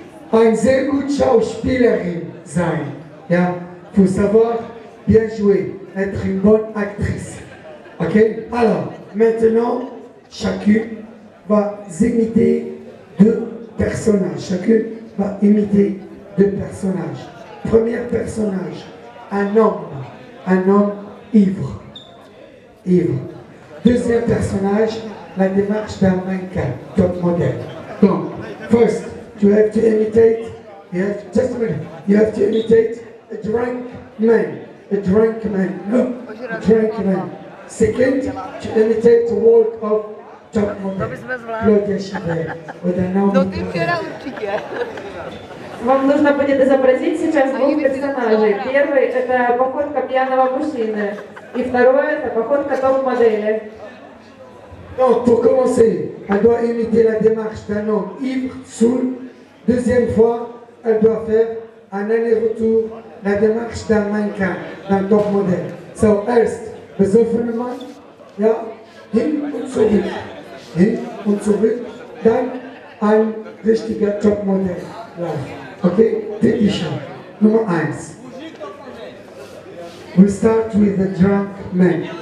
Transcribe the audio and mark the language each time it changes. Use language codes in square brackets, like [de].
[de] Ein sehr gut Schauspielerin sein. [fr] Ja, faut savoir bien jouer, être une bonne actrice. Ok? Alors, maintenant, chacune va imiter deux personnages. Chacune va imiter deux personnages. Premier personnage, un homme ivre. Ivre. Deuxième personnage, la démarche d'un mannequin, top modèle. [en] Donc, first, you have to imitate, yeah, just a minute, you have to imitate a drunk man, a drunk man, no, a drunk man. Second, to imitate the work of top model, Claudia Schiffer, with a known [ru] Вам нужно будет изобразить сейчас двух персонажей. Первый – это походка пьяного мужчины. И второе – это походка топ-модели. [fr] Non, pour commencer, elle doit imiter la démarche d'un homme ivre, saoul. Deuxième fois, elle doit faire un aller-retour, la démarche d'un mannequin, d'un top model. [de] So, erst, besoffenement, ja, hin und zurück. Hin und zurück, dann ein richtiger top model. Ja. Okay, bitte schon. Nummer eins. [en] We start with a drunk man.